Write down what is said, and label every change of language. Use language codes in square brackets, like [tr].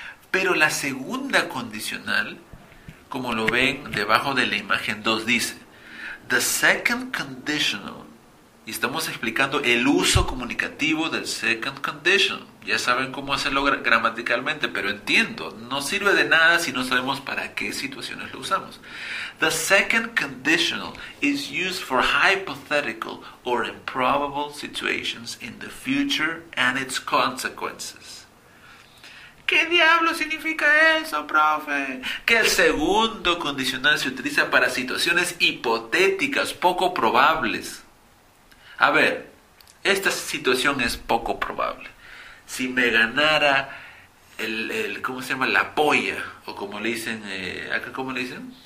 [es] Pero la segunda condicional, como lo ven debajo de la imagen 2, dice, the second conditional. Y estamos explicando el uso comunicativo del second condition. Ya saben cómo hacerlo gramaticalmente, pero entiendo. No sirve de nada si no sabemos para qué situaciones lo usamos. [en] The second conditional is used for hypothetical or improbable situations in the future and its consequences. [es] ¿Qué diablo significa eso, profe? Que el segundo condicional se utiliza para situaciones hipotéticas, poco probables. A ver, esta situación es poco probable. Si me ganara el ¿cómo se llama? La polla, o como le dicen, ¿acá cómo le dicen?